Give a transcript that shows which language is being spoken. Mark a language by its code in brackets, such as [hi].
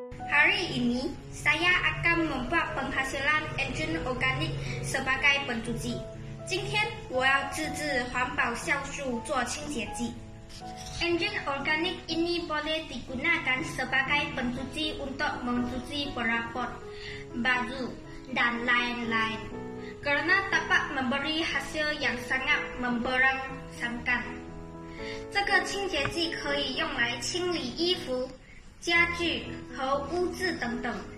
[ms] Hari ini, saya akan membuat penghasilan engine organik sebagai pencuci. [zh] 今天我要自制环保酵素做清洁剂。 [ms] Engine organik ini boleh digunakan sebagai pencuci untuk mencuci perabot, baju, dan lain-lain. Karena dapat memberi hasil yang sangat memberangsangkan. [zh] 这个清洁剂可以用来清理衣服, 家具和污渍等等.